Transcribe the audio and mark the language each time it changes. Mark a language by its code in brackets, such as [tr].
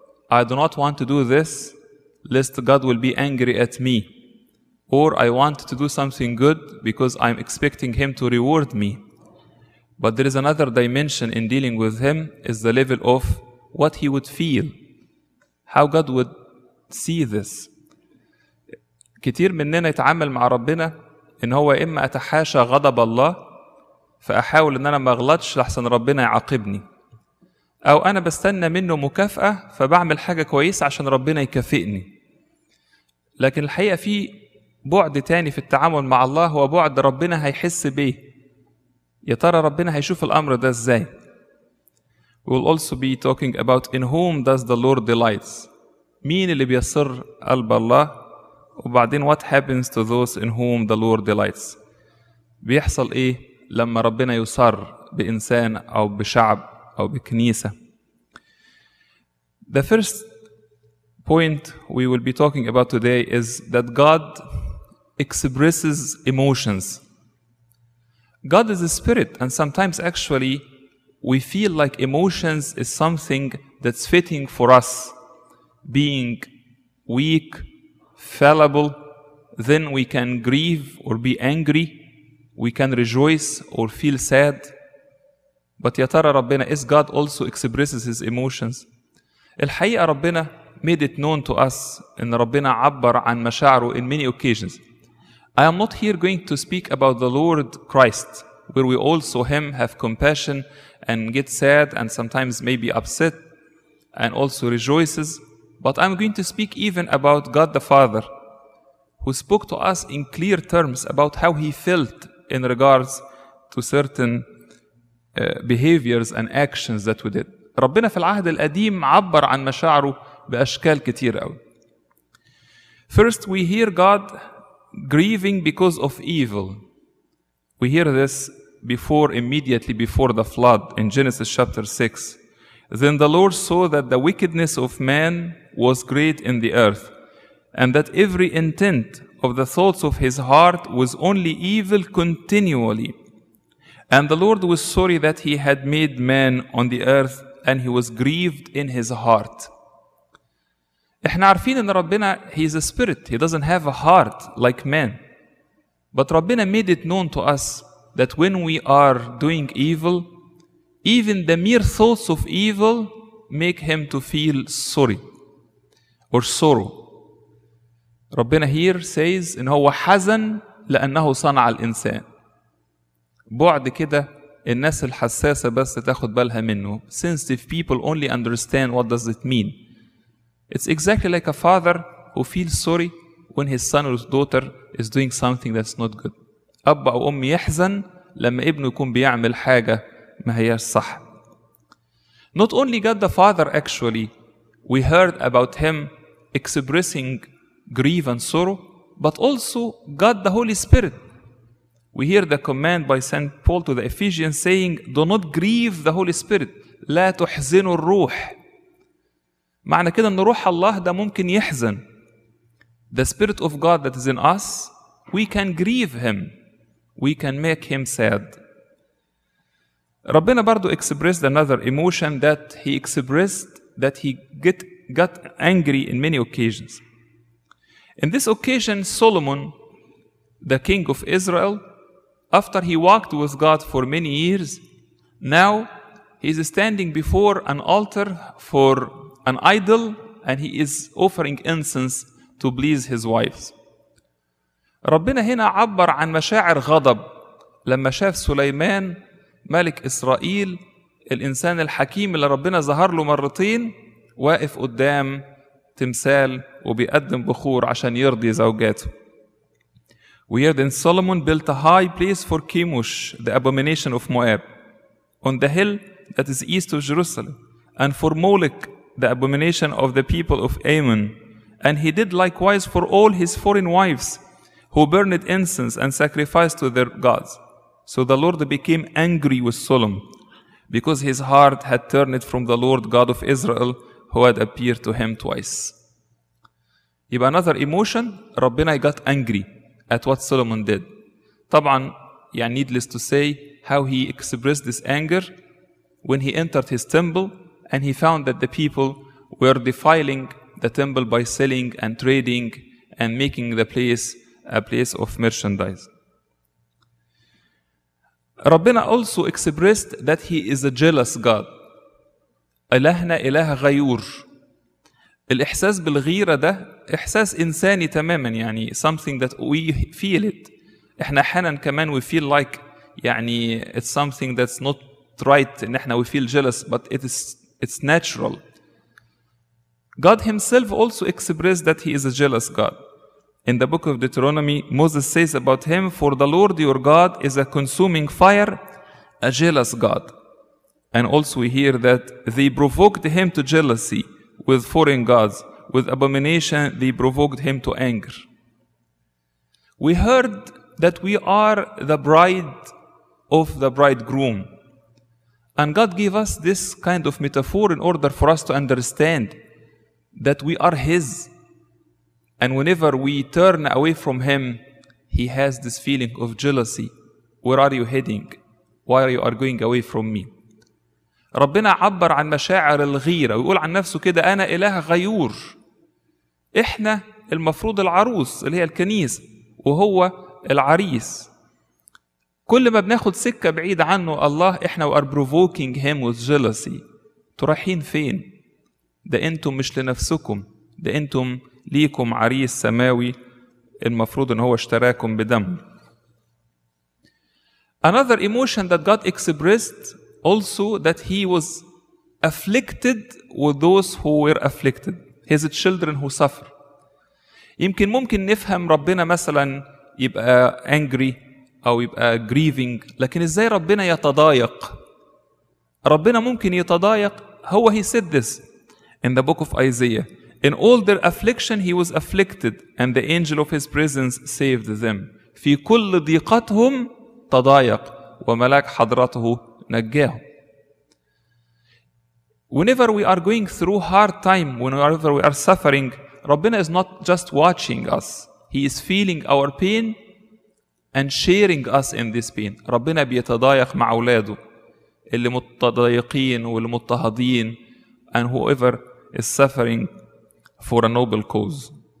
[en] I do not want to do this, lest God will be angry at me. Or I want to do something good because I'm expecting Him to reward me. But there is another dimension in dealing with Him, is the level of what He would feel, how God would see this. [ar] كتير مننا يتعامل مع ربنا إن هو إما أتحاشى غضب الله فأحاول إن أنا ما أغلطش لحسن ربنا يعاقبني. أو أنا بستنى منه مكافأة فبعمل حاجة كويسة عشان ربنا يكافئني. لكن الحقيقة في بعد تاني في التعامل مع الله هو بعد ربنا هيحس بيه. يا ترى ربنا هيشوف الأمر ده إزاي؟ [en] We'll also be talking about in whom does the Lord delights. [ar] مين اللي بيسر قلب الله؟ وبعدين [en] what happens to those in whom the Lord delights. [ar] بيحصل ايه لما ربنا يسر بإنسان أو بشعب أو بكنيسة. [en] The first point we will be talking about today is that God expresses emotions. God is a spirit, and sometimes actually we feel like emotions is something that's fitting for us. Being weak, fallible, then we can grieve or be angry, we can rejoice or feel sad. But [ar] يا ترى ربنا, [en] is God also expresses His emotions? [ar] الحقيقة ربنا [en] made it known to us [ar] إن ربنا عبر عن مشاعره [en] in many occasions. I am not here going to speak about the Lord Christ, where we also Him have compassion and get sad and sometimes maybe upset and also rejoices. But I'm going to speak even about God the Father, who spoke to us in clear terms about how He felt in regards to certain behaviors and actions that we did. [ar] ربنا في العهد القديم عبر عن مشاعره بأشكال كتير أوي. [en] First, we hear God grieving because of evil. We hear this immediately before the flood in Genesis chapter 6. Then the Lord saw that the wickedness of man was great in the earth, and that every intent of the thoughts of his heart was only evil continually. And the Lord was sorry that he had made man on the earth, and he was grieved in his heart. [ar] احنا عارفين ان ربنا, [en] he is a spirit, he doesn't have a heart like man. But ربنا made it known to us that when we are doing evil, even the mere thoughts of evil make him to feel sorry or sorrow. [ar] ربنا [en] here says [ar] ان هو حزن لانه صنع الانسان. بعد كده الناس الحساسة بس تاخد بالها منه. [en] Sensitive people only understand what does it mean. It's exactly like a father who feels sorry when his son or his daughter is doing something that's not good. [ar] أب أو أم يحزن لما ابنه يكون بيعمل حاجة ما هيش صح. [en] Not only God the Father actually, we heard about Him expressing grief and sorrow, but also God the Holy Spirit. We hear the command by Saint Paul to the Ephesians saying, do not grieve the Holy Spirit. [ar] لا تحزنوا الروح. معنى كده أن روح الله ده ممكن يحزن. [en] The Spirit of God that is in us, we can grieve Him. We can make Him sad. [ar] ربنا برضو [en] expressed another emotion that He expressed, that He got angry in many occasions. In this occasion, Solomon, the king of Israel, after he walked with God for many years, now he is standing before an altar for an idol, and he is offering incense to please his wives. [ar] ربنا هنا عبر عن مشاعر غضب لما شاف سليمان ملك إسرائيل الإنسان الحكيم اللي ربنا ظهر له مرتين واقف قدام تمثال وبيقدم بخور عشان يرضي زوجاته. [en] We heard in Solomon built a high place for Chemosh, the abomination of Moab, on the hill that is east of Jerusalem, and for Molech, the abomination of the people of Ammon. And he did likewise for all his foreign wives, who burned incense and sacrificed to their gods. So the Lord became angry with Solomon, because his heart had turned from the Lord God of Israel, who had appeared to him twice. [ar] يبقى [en] another emotion, ربنا got angry at what Solomon did. [ar] طبعا, [en] yeah, needless to say, how he expressed this anger when he entered his temple and he found that the people were defiling the temple by selling and trading and making the place a place of merchandise. Rabbina also expressed that he is a jealous God. إلهنا إله غيور. [ar] الإحساس بالغيرة ده إحساس إنساني تماما, يعني [en] something that we feel it. [ar] إحنا حنا كمان [en] we feel like, يعني it's something that's not right, [ar] إن إحنا [en] we feel jealous, but it's natural. God himself also expressed that he is a jealous God. In the book of Deuteronomy, Moses says about him, for the Lord your God is a consuming fire, a jealous God. And also we hear that they provoked him to jealousy with foreign gods. With abomination, they provoked him to anger. We heard that we are the bride of the bridegroom. And God gave us this kind of metaphor in order for us to understand that we are his. And whenever we turn away from him, he has this feeling of jealousy. Where are you heading? Why are you going away from me? [ar] ربنا عبر عن مشاعر الغيرة ويقول عن نفسه كده أنا إله غيور. إحنا المفروض العروس اللي هي الكنيس وهو العريس. كل ما بناخد سكة بعيد عنه الله إحنا [en] we are provoking him with jealousy. [ar] تروحين فين؟ ده أنتم مش لنفسكم, ده أنتم ليكم عريس سماوي المفروض أن هو اشتراكم بدم. [en] Another emotion that God expressed also that he was afflicted with those who were afflicted, his children who suffer. [ar] يمكن ممكن نفهم ربنا مثلا يبقى angry أو يبقى grieving, لكن إزاي ربنا يتضايق؟ ربنا ممكن يتضايق. هو [en] he said this in the book of Isaiah, in all their affliction he was afflicted and the angel of his presence saved them. [ar] في كل ضيقتهم تضايق وملاك حضرته نجاهم. [en] Whenever we are going through hard time, whenever we are suffering, ربنا is not just watching us. He is feeling our pain and sharing us in this pain. [ar] ربنا بيتضايق مع أولاده اللي متضايقين والمضطهدين [en] and whoever is suffering for a noble cause.